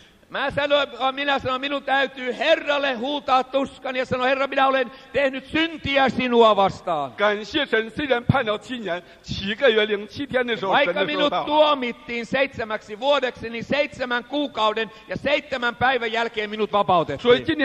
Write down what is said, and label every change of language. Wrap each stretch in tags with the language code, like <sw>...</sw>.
<fi>Minä sanoin, minun täytyy Herralle huutaa tuskan ja sanoa, Herra, minä olen tehnyt syntiä sinua vastaan.</fi> <zh>感谢神，虽然判了七年，七个月零七天的时候，</zh> <fi>vaikka minut tuomittiin 7 vuodeksi, niin 7 kuukauden ja 7 päivän jälkeen minut vapautettiin.</fi>